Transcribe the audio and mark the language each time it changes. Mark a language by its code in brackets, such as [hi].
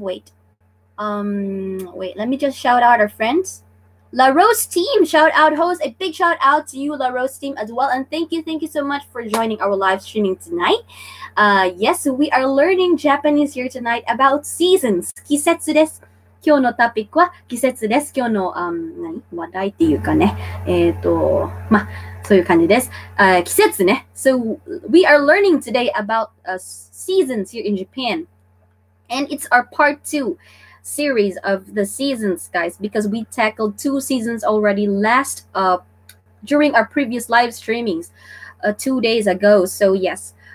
[en] Wait, let me just shout out our friends. La Rose team, shout out, host. A big shout out to you, La Rose team, as well. And thank you so much for joining our live streaming tonight. Yes, we are learning Japanese here tonight about seasons. [ja] Kisetsu desu. 今日のトピックは季節です。今日の、話題っていうかね。まあ、そういう感じです。季節ね。 [en] So, we are learning today about seasons here in Japan. And it's our part 2 series of the seasons, guys. Because we tackled 2 seasons already last, during our previous live streamings 2 days ago. So, yes,